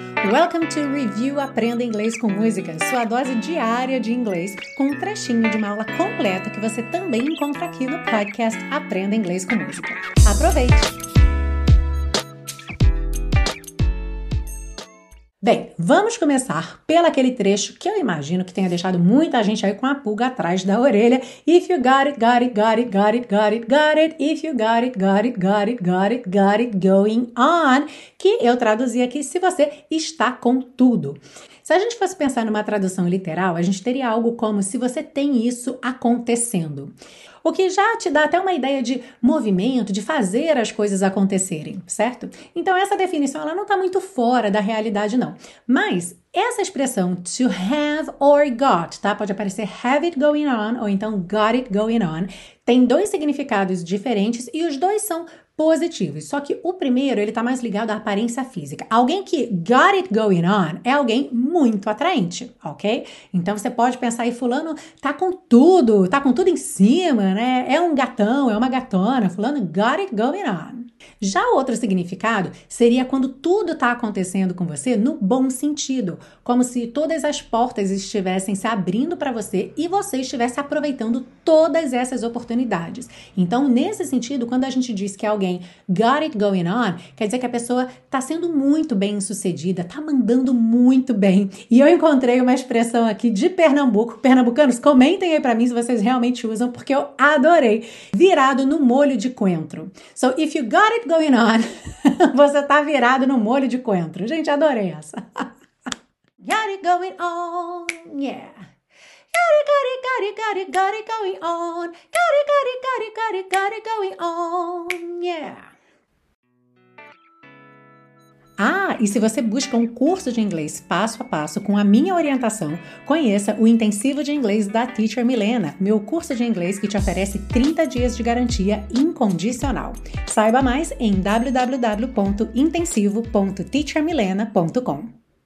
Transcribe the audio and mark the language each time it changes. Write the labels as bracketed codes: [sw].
[en] Welcome to [pt] Review Aprenda Inglês com Música, sua dose diária de inglês, com um trechinho de uma aula completa que você também encontra aqui no podcast Aprenda Inglês com Música. Aproveite! Bem, vamos começar pelo aquele trecho que eu imagino que tenha deixado muita gente aí com a pulga atrás da orelha. [en] If you got it, got it, got it, got it, got it, got it. If you got it, got it, got it, got it, got it going on. [pt] Que eu traduzi aqui, se você está com tudo. Se a gente fosse pensar numa tradução literal, a gente teria algo como se você tem isso acontecendo. O que já te dá até uma ideia de movimento, de fazer as coisas acontecerem, certo? Então essa definição, ela não está muito fora da realidade não. Mas essa expressão [en] to have or got, [pt] tá? Pode aparecer [en] have it going on [pt] ou então [en] got it going on. [pt] Tem dois significados diferentes e os dois são positivos. Só que o primeiro, ele está mais ligado à aparência física. Alguém que [en] got it going on [pt] é alguém muito atraente, ok? Então você pode pensar aí, fulano tá com tudo em cima, né? É um gatão, é uma gatona, fulano [en] got it going on. [pt] Já o outro significado seria quando tudo está acontecendo com você no bom sentido, como se todas as portas estivessem se abrindo para você e você estivesse aproveitando todas essas oportunidades. Então, nesse sentido, quando a gente diz que alguém [en] got it going on, [pt] quer dizer que a pessoa está sendo muito bem sucedida, está mandando muito bem. E eu encontrei uma expressão aqui de Pernambuco. Pernambucanos, comentem aí para mim se vocês realmente usam, porque eu adorei. Virado no molho de coentro. [en] So, if you got it going on. [pt] Você tá virado no molho de coentro. Gente, adorei essa. [en] Got it going on, yeah. Got it, got it, got it, got it, got it going on. Got it, got it, got it, got it, got it going on, yeah. [pt] Ah, e se você busca um curso de inglês passo a passo com a minha orientação, conheça o Intensivo de Inglês da Teacher Milena, meu curso de inglês que te oferece 30 dias de garantia incondicional. Saiba mais em www.intensivo.teachermilena.com.